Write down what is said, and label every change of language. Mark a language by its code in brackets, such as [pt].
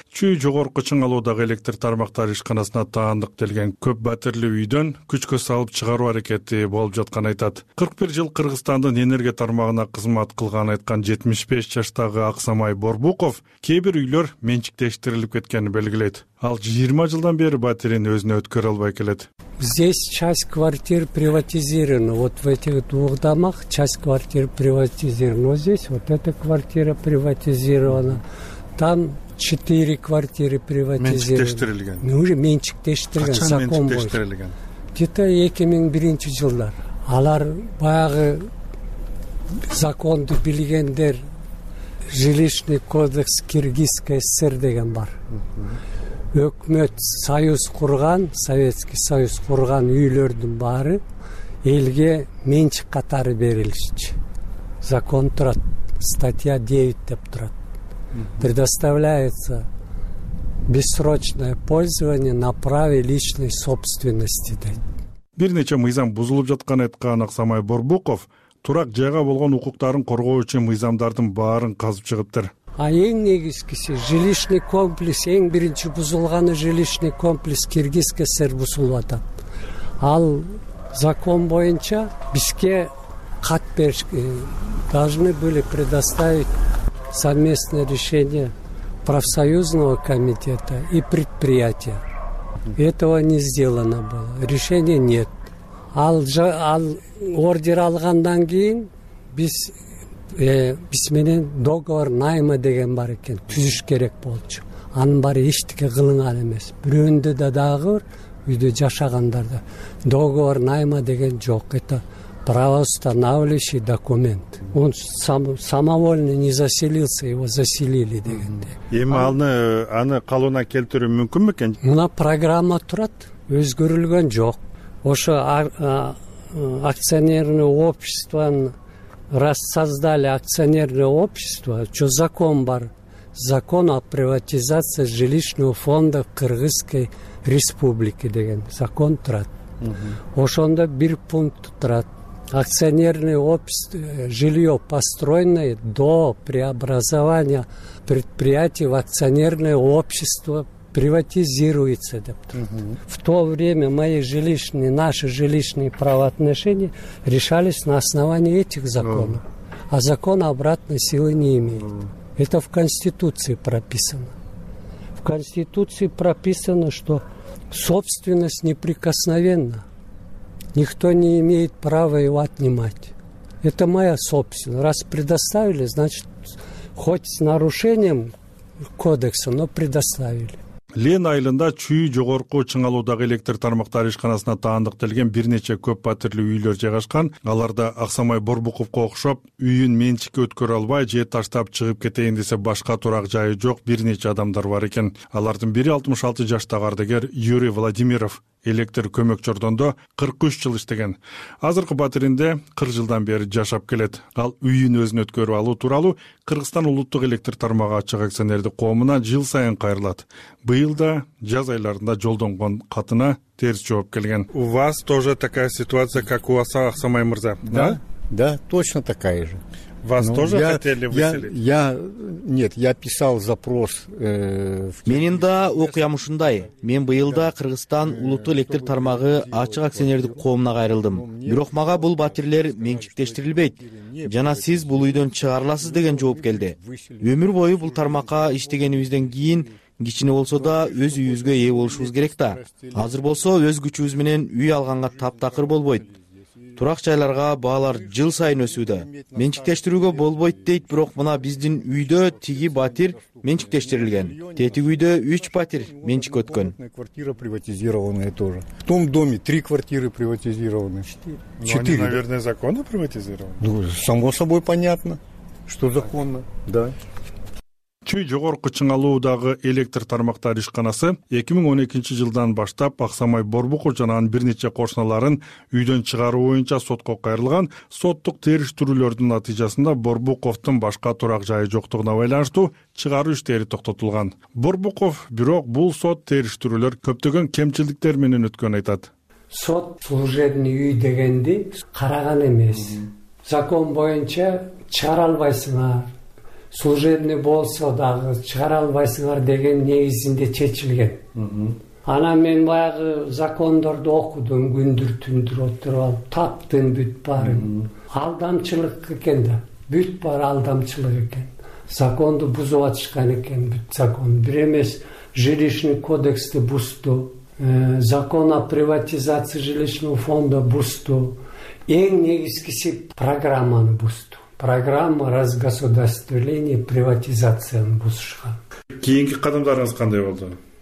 [ky] Чүй жогорку чыңалуудагы электр тармактар ишканасына таандык делген көп батирлүү үйдөн күчкө салып чыгаруу аракети болуп жатканын айтат. 41 жыл Кыргызстандын энергия тармагына кызмат кылганын айткан 75 жаштагы Аксамай Борбуков кээ бир үйлөр менчиктештирилип кеткенин белгилейт. Ал 20 жылдан бери батирин өзүнө өткөрө албай келет. [ru] Здесь часть квартир приватизирована. Вот в этих двух домах часть квартир приватизирована. Вот здесь вот эта квартира приватизирована. Там 4 квартиры приватизированы. [ky] Менчиктештирилген. [ru] Ну уже [ky] менчиктештирилген. Качан менчиктештирилген? [ru] Где-то [ky] 2001 жылдар. Алар баягы законду билгендер, [ru] жилищный кодекс Киргизской ССР [ky] деген бар. Өкмөт союз курган, Советский союз курган үйлөрдүн баары элге менчик катары берилчи. Закон турат, статья 9 деп турат. [ru] Предоставляется бессрочное пользование на праве личной собственности. [ky] Бир нече мыйзам бузулуп жаткан айткан Аксамай Борбуков турак жайга болгон укуктарын коргоо үчүн мыйзамдардын баарын казып чыгыптыр. А эң негизгиси [ru] жилищный комплекс, [ky] эң биринчи бузулганы [ru] жилищный комплекс Киргизской ССР [ky] бузулуп атат. Ал закон боюнча бизге кат бериш [ru] должны были предоставить совместное решение профсоюзного комитета и предприятия. Этого не сделано было. Решения нет. [ky] Ал ордер алгандан кийин биз биз менен [ru] договор найма [ky] деген бар экен, түзүш керек болчу. Анын баары эчтеке кылынган эмес. Бирөөндө да дагы бир үйдө жашагандарда [ru] договор найма [ky] деген жок. [ru] Это правоустанавливающий документ. Он самовольно не заселился, его заселили [ky] дегенде. Эми аны калууна келтирүү мүмкүн бекен? Мына программа турат, өзгөрүлгөн жок. Ошо [ru] акционерное общество раз создали акционерное общество, что закон [ky] бар? [ru] Закон о приватизации жилищного фонда Кыргызской Республики [ky] деген закон турат. Ошондо бир пункт турат. [ru] Акционерное общество, жилье построенное до преобразования предприятий в акционерное общество приватизируется [ky] деп турат. [ru] В то время наши жилищные правоотношения решались на основании этих законов. А закон обратной силы не имеет. Это в Конституции прописано. В Конституции прописано, что собственность неприкосновенна. Никто не имеет права его отнимать. Это моя собственность. Раз предоставили, значит, хоть с нарушением кодекса, но предоставили. [ky] Лен айылында чүй жогорку чыңалуудагы электр тармактар ишканасына таандык делген бир нече көп батирлүү үйлөр жайгашкан. Аларда Аксамай Борбуковко окшоп, үйүн менчикке өткөрө албай, же таштап чыгып кетейин десе башка турак жайы жок бир нече адамдар бар экен. Алардын бири 66 жаштагы ардыгер Юрий Владимиров. Электр көмөк жордондо 43 жыл иштеген. Азыркы батиринде 40 жылдан бери жашап келет. Ал үйүн өзүнө өткөрүп алуу тууралуу Кыргызстан улуттук электр тармагы ачык акционердик коомуна жыл сайын кайрылат. Быйыл да жаз айларында жолдонгон катына терс жооп келген. [ru] У вас тоже такая ситуация, как у Аксамай мырза? Да? Да, точно такая же. Вас тоже хотели выселить? Я писал запрос. [ky] Менин да окуям ушундай. Мен быйылда Кыргызстан улуттук электр тармагы ачык акционердик коомуна кайрылдым. Бирок мага бул батирлер менчиктештирилбейт. Жана сиз бул үйдөн чыгарыласыз деген жооп келди. Өмүр бою бул тармакка иштегенибизден кийин кичине болсо да өз үйүбүзгө ээ болушубуз керек да. Азыр болсо өз күчүбүз менен үй алганга таптакыр болбойт. Турак жайларга баалар жыл сайын өсүүдө. Менчиктештирүүгө болбойт дейт, бирок мына биздин үйдө тиги батир менчиктештирилген. Тетиги үйдө 3 батир менчик өткөн. [ru] Квартира приватизированная тоже. В том доме 3 квартиры приватизированы. 4. Они, наверное, законно приватизированы? Ну, само собой понятно, что законно. Да. [ky] Чүй жогорку чыңалуудагы электр тармактар ишканасы 2012 жылдан баштап Аксамай Борбуков жана анын бир нече кошуналарын үйдөн чыгаруу боюнча сотко кайрылган. Соттук териштирүүлөрдүн натыйжасында Борбуковдун башка турак жайы жоктугуна байланыштуу чыгаруу иштери токтотулган. Борбуков бирок бул сот териштирүүлөр көптөгөн кемчиликтер менен өткөнүн айтат. Сот служебный үй дегенди караган эмес. Закон боюнча чыгара албайсыңар. Служебный болсо дагы чыгара албайсыңар деген негизинде чечилген. Ана мен баягы закондорду окудум, күндүр түндүр отуруп алып таптым бүт барын. Алдамчылык экен да. Бүт бар алдамчылык экен. Законду бузуп атышкан экен бүт закон. Бир эмес жилищный кодексти бузду. [ru] Закон о приватизации жилищного фонда [ky] бузду. Эң негизгиси программаны бузду. [ru] Программа разгосударствления [ky] приватизацияны бузушкан. Кийинки кадамдарыңыз кандай болду?